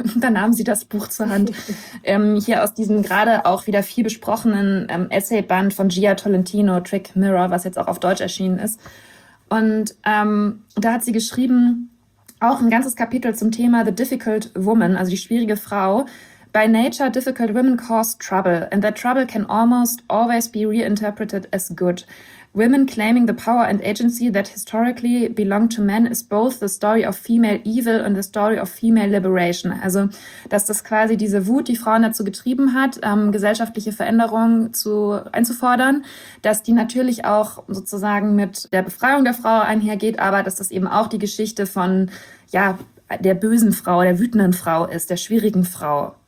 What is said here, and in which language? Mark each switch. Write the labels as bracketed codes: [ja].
[de] Da nahmen sie das Buch zur Hand. Hier aus diesem gerade auch wieder viel besprochenen Essayband von Gia Tolentino, Trick Mirror, was jetzt auch auf Deutsch erschienen ist. Und da hat sie geschrieben, auch ein ganzes Kapitel zum Thema The Difficult Woman, also die schwierige Frau. [en] By nature, difficult women cause trouble, and that trouble can almost always be reinterpreted as good. Women claiming the power and agency that historically belonged to men is both the story of female evil and the story of female liberation. [de] Also, dass das quasi diese Wut, die Frauen dazu getrieben hat, gesellschaftliche Veränderungen einzufordern, dass die natürlich auch sozusagen mit der Befreiung der Frau einhergeht, aber dass das eben auch die Geschichte von, ja, der bösen Frau, der wütenden Frau ist, der schwierigen Frau.